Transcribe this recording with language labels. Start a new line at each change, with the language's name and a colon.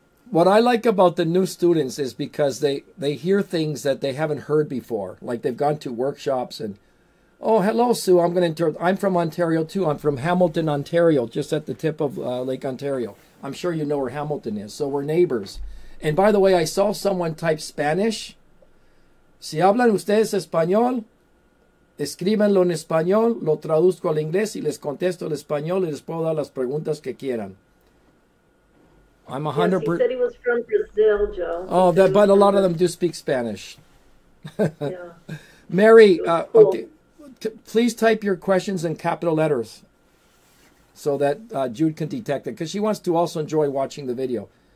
English: What I like about the new students is because they hear things that they haven't heard before. Like they've gone to workshops and, oh, hello, Sue, I'm from Ontario too. I'm from Hamilton, Ontario, just at the tip of Lake Ontario. I'm sure you know where Hamilton is. So we're neighbors. And by the way, I saw someone type Spanish.
Spanish: Si hablan ustedes español, escríbanlo en español, lo traduzco al inglés y les contesto en español y les puedo dar las preguntas que quieran.
English: I'm 100%. Yes, he said he was from Brazil, Joe. Oh, that, but a lot of them do speak Spanish. Yeah. Mary, cool. Okay, please type your questions in capital letters so that Jude can detect it, because she wants to also enjoy watching the video.